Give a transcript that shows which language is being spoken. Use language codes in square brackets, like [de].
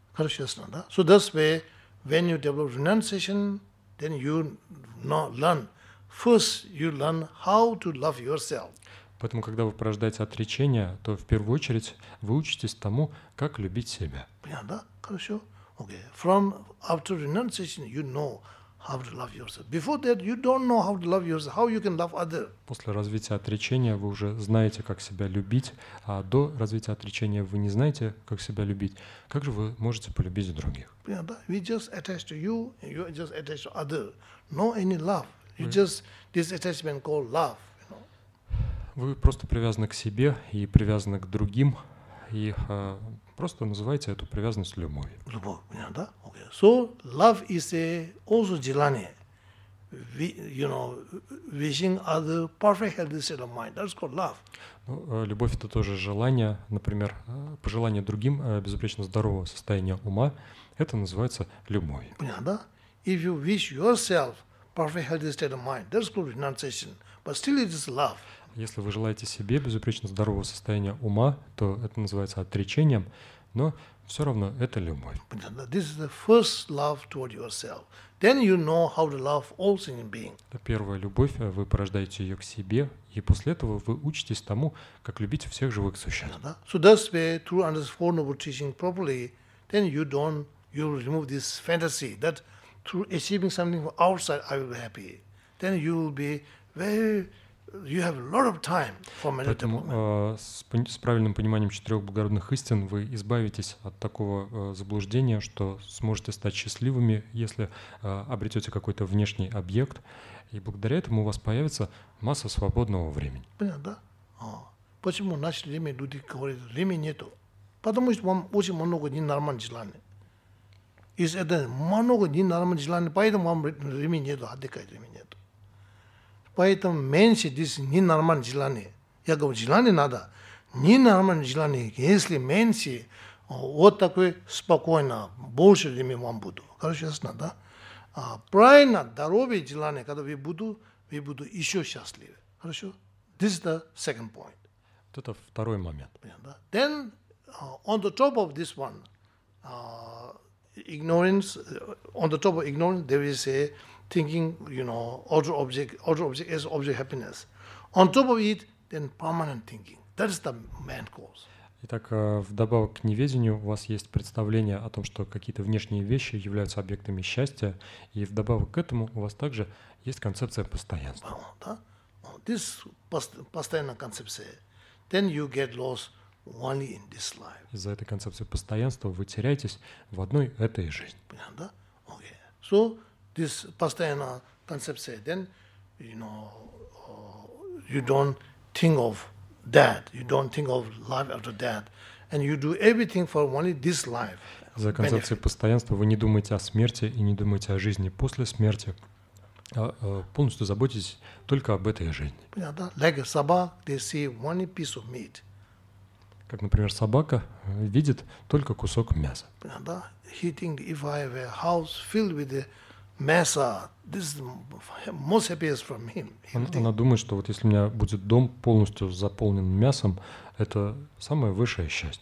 [ru] Хорошо, ясно, да? [en] So that's why when you develop renunciation, then you learn. First, you learn how to love yourself. [ru] Поэтому, когда вы порождаете отречение, то в первую очередь вы учитесь тому, как любить себя. Понятно? Хорошо. [en] Okay. From after renunciation, you know how to love yourself. Before that, you don't know how to love yourself. How you can love other? [ru] После развития отречения вы уже знаете, как себя любить, а до развития отречения вы не знаете, как себя любить. Как же вы можете полюбить других? Понятно? [en] We just attached to you, and you just attached to other. No any love. You just this attachment called love. [ru] Вы просто привязаны к себе и привязаны к другим, и просто называете эту привязанность любовью. Любовь, понятно, да? [en] Okay. So, love is also [ru] желание. [en] You know, wishing other perfect healthy state of mind. That's called love. [ru] Ну, любовь – это тоже желание, например, пожелание другим безупречно здорового состояния ума. Это называется любовью. Понятно, да? [en] If you wish yourself perfect healthy state of mind, that's called renunciation. But still it is love. [ru] Если вы желаете себе безупречно здорового состояния ума, то это называется отречением, но все равно это любовь. [en] This is the first love toward yourself. Then you know how to love all sentient beings. [ru] Это первая любовь, вы порождаете ее к себе, и после этого вы учитесь тому, как любить всех живых существ. [en] So that's where through understanding four noble teachings properly, then you remove this fantasy that through achieving something from outside I will be happy. Then you will be very you have a lot of time for meditation. [ru] Поэтому с правильным пониманием четырех благородных истин вы избавитесь от такого заблуждения, что сможете стать счастливыми, если обретете какой-то внешний объект, и благодаря этому у вас появится масса свободного времени. Понятно, да? Почему в наше время люди говорят, что времени нету? Потому что вам очень много ненормальных желаний. Если это много ненормальных желаний, поэтому вам времени нету, отдыхать времени нету. Поэтому меньше здесь ненормальное желание. Я говорю, желание надо. Ненормальное желание, если меньше, вот такое спокойно, больше времени вам буду. Короче, ясно, да? А правильно, здоровье желание, когда вы буду еще счастливее. Хорошо? [en] This is the second point. [ru] Вот это второй момент. Понятно, да? [en] Then, on the top of this one, ignorance, on the top of ignorance, there is a thinking, you know, other object as object happiness. On top of it, then permanent thinking. That is the main cause. [ru] Итак, вдобавок к неведению, у вас есть представление о том, что какие-то внешние вещи являются объектами счастья, и вдобавок к этому у вас также есть концепция постоянства. [en] This [ru] постоянная концепция. [en] Then you get lost only in this life. [ru] Из-за этой концепции постоянства вы теряетесь в одной этой жизни. Понятно, да? [en] Okay. So, this [ru] постоянная концепция, [en] then, you know, you don't think of that, you don't think of life after that, and you do everything for only this life. [ru] За концепцией постоянства вы не думаете о смерти и не думаете о жизни после смерти, а полностью заботитесь только об этой жизни. Понятно, да? [en] Like a собака, they see one piece of meat. [ru] Как, например, собака видит только кусок мяса. Понятно, да? [en] He think if I have a house filled with the Massa, this is most happiest from him. [ru] Она думает, что вот если у меня будет дом полностью заполнен мясом, это самое высшее счастье.